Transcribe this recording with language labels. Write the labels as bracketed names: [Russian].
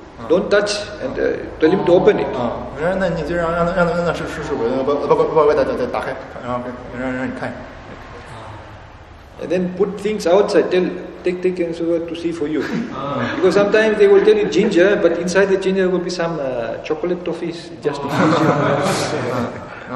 [English] Don't touch and tell him to open it. [Chinese] 那你就让师傅把外带打开，然后让你看。 [English] And then put things outside, tell, take and so on to see for you. Because sometimes they will tell you ginger, but inside the ginger will be some chocolate toffees, just to feed you.